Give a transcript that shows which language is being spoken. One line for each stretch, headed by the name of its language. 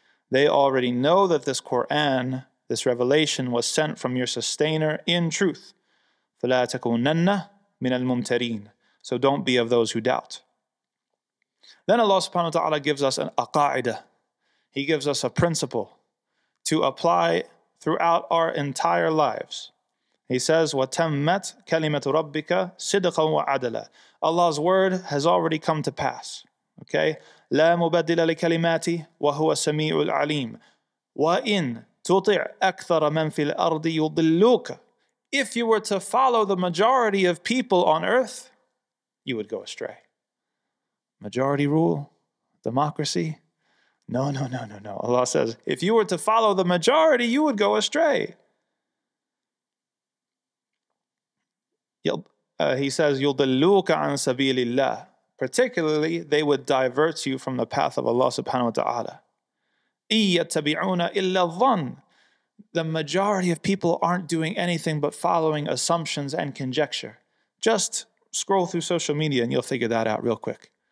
English: They already know that this Quran, this revelation was sent from your sustainer in truth.
Arabic: فَلَا تَكُونَنَّ مِنَ الْمُمْتَرِينَ.
English: So don't be of those who doubt. Then Allah subhanahu wa ta'ala gives us an aqa'idah. He gives us a principle to apply throughout our entire lives. He says,
Arabic: وَتَمَّتْ كَلِمَةُ رَبِّكَ صِدْقًا وَعَدَلًا.
English: Allah's word has already come to pass. Okay?
Arabic: لَا مُبَدِّلَ لِكَلِمَاتِي وَهُوَ السَّمِيعُ الْعَلِيمُ وَإِنْ تُطِعْ أَكْثَرَ مَنْ فِي الْأَرْضِ يُضِلُّكَ.
English: If you were to follow the majority of people on earth, you would go astray. Majority rule? Democracy? No. Allah says, if you were to follow the majority, you would go astray. He says,
Arabic: يُضِلُّكَ عَن سَبِيلِ اللَّهِ.
English: Particularly, they would divert you from the path of Allah subhanahu wa ta'ala.
Arabic: إِيَّ تَبِعُونَ إِلَّا الظَّنِ.
English: The majority of people aren't doing anything but following assumptions and conjecture. Just scroll through social media and you'll figure that out real quick.